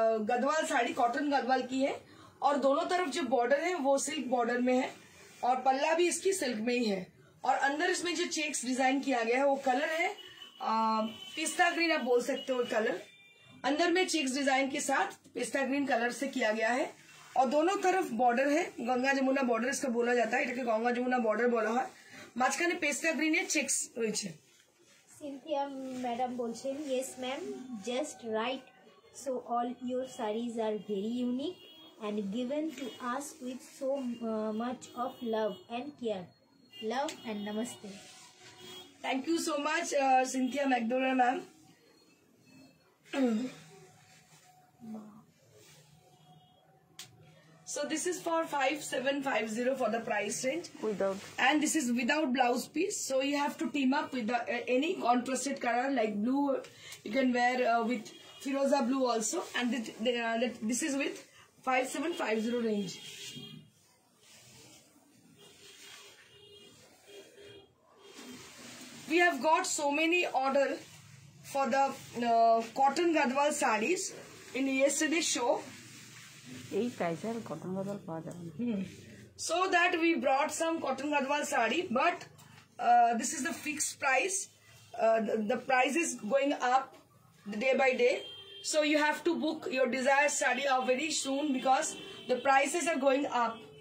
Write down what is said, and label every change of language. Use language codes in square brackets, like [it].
[hi] Gadwal sari cotton Gadwal की है और दोनों तरफ जो बॉर्डर है वो सिल्क बॉर्डर में है और पल्ला भी इसकी सिल्क में ही है और अंदर इसमें जो चेक्स डिजाइन किया गया है वो कलर है पिस्ता ग्रीन आप बोल सकते हो कलर अंदर में चेक्स डिजाइन के साथ पिस्ता ग्रीन कलर से किया गया है और दोनों तरफ बॉर्डर है गंगा जमुना बॉर्डर इसका बोला जाता है गंगा जमुना बॉर्डर बोला है [bn] মাঝখানে পেস্টা গ্রিন এর চেকস রয়েছে [en] Cynthia madam বলছেন yes ma'am just right so all your saris are very unique and given to us with so much of love and care love and namaste thank you so much Cynthia McDonald ma'am So this is for 5750 for the price range without and this is without blouse piece so you have to team up with the, any contrasted color like blue you can wear with firoza blue also and this is with 5750 range we have got so many order for the cotton gadwal sarees in yesterday's show [bn] এই প্রাইসের cotton Gadwal পাওয়া যাবে [en] so that we brought some cotton Gadwal sari but this is the fix price the price is going up day by day so you have to book your desire sari are very soon because the prices are going up